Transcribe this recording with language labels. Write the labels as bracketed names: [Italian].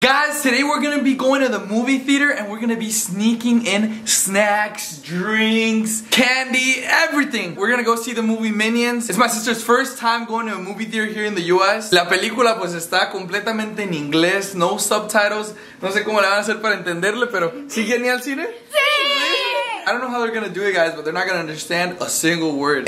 [English] Today we're gonna be going to the movie theater and we're gonna be sneaking in snacks, drinks, candy, everything. We're gonna go see the movie Minions. It's my sister's first time going to a movie theater here in the US. [Spanish] La película pues está completamente en inglés, [English] no subtitles. [Spanish] No sé cómo la van a hacer para entenderle, pero ¿sí quieren ir al cine? [English] I don't know how they're gonna do it, guys, but they're not gonna understand a single word.